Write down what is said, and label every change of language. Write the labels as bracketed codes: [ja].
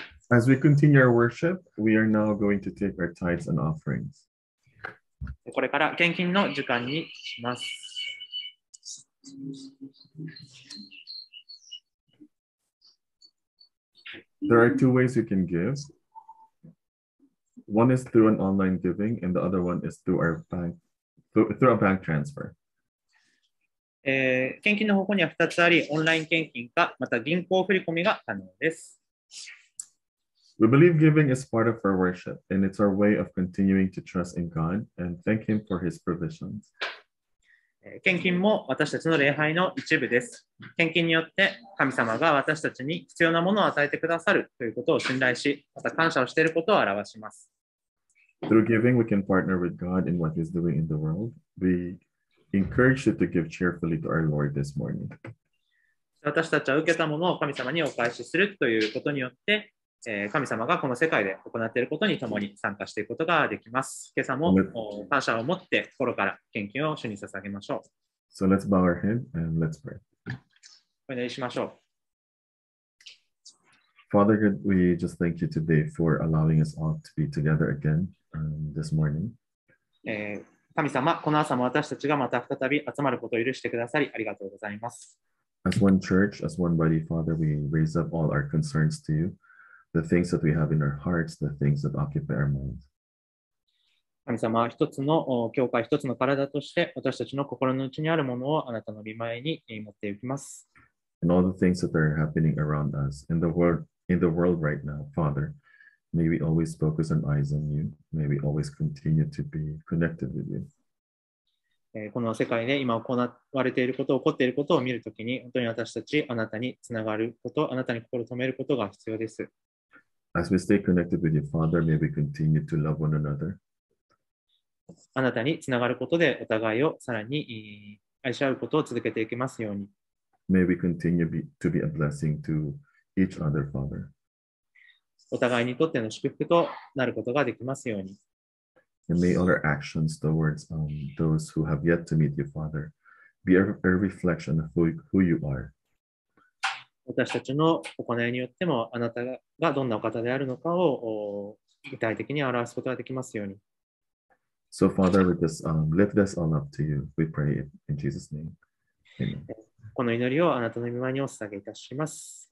[en] As we continue our worship, we are now going to take our tithes and offerings. [ja] これから献金の時間にします。 [en] There are two ways you can give. One is through an online giving, and the other one is through our bank, through a bank transfer. [ja] 献金の方法には2つあり、オンライン献金か、また銀行振込が可能です。 [en] We believe giving is part of our worship, and it's our way of continuing to trust in God and thank Him for His provisions. [ja] 献金も私たちの礼拝の一部です。献金によって神様が私たちに必要なものを与えてくださるということを信頼し、また感謝をしていることを表します。 [en] Through giving, we can partner with God in what He's doing in the world. We encourage you to give cheerfully to our Lord this morning. [ja] 私たちは受けたものを神様にお返しするということによって、神様がこの世界で行っていることに共に参加していくことができます。今朝も感謝を持って心から献金を主に捧げましょう。 [en] So let's bow our head and let's pray. [ja] お祈りしましょう。 [en] Father God, we just thank you today for allowing us all to be together again, this morning. [ja] 神様、この朝も私たちがまた再び集まることを許してくださりありがとうございます。 [en] As one church, as one body, Father, we raise up all our concerns to you. The things that we have in our hearts, the things that occupy our minds. [ja] 神様、一つの教会、一つの体として、私たちの心の内にあるものをあなたの御前に持っていきます。 [en] And all the things that are happening around us in the world right now, Father, may we always focus our eyes on you. May we always continue to be connected with you. [ja] この世界で今行われていること、起こっていることを見るときに、本当に私たち、あなたにつながること、あなたに心を止めることが必要です。 [en] As we stay connected with your Father, may we continue to love one another. [ja] あなたにつながることでお互いをさらに愛し合うことを続けていきますように。 [en] May we continue to be a blessing to each other, Father. [ja] お互いにとっての祝福となることができますように。 [en] And may all our actions towards those who have yet to meet your Father be a reflection of who you are. [ja] 私たちの行いによってもあなたがどんなお方であるのかを具体的に表すことができますように。 [en] So Father, with this, lift this all up to you. We pray in Jesus' name. Amen. [ja] この祈りをあなたの御前にお捧げいたします。